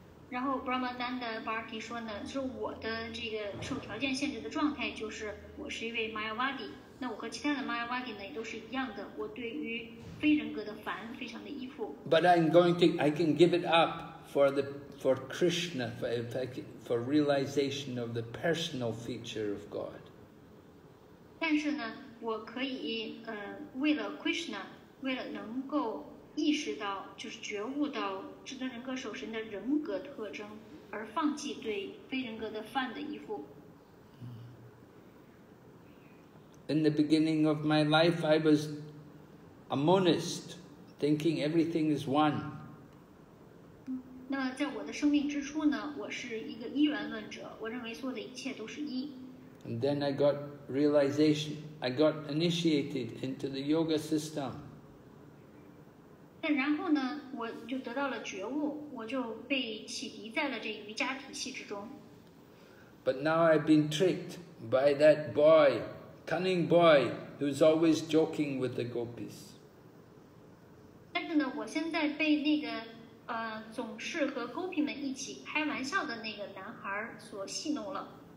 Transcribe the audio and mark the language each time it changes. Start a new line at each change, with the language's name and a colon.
Chinese: 然后 Brahmananda Bharati 说呢，说我的这个受条件限制的状态就是我是一位 Mayavadi。那我和其他的 Mayavadi 呢也都是一样的，我对于非人格的凡非常的依附。
English: But I can give it up for Krishna, for realization of the personal feature of God.
Chinese: 但是呢。我可以为了 Krishna, 为了能够意识到就是觉悟到至尊人格首神的人格特征而放弃对非人格的梵的依附。
English: In the beginning of my life, I was a monist, thinking everything is one.
Chinese: 那在我的生命之初呢，我是一个一元论者，我认为所有的一切都是一。
English: And then I got realization, I got initiated into the yoga system.
Chinese: 但然后呢，我就得到了觉悟，我就被启迪在了这瑜伽体系之中。
English: But now I've been tricked by that boy, cunning boy, who's always joking with the gopis.
Chinese: 但是呢，我现在被那个总是和 gopi 们一起开玩笑的那个男孩所戏弄了。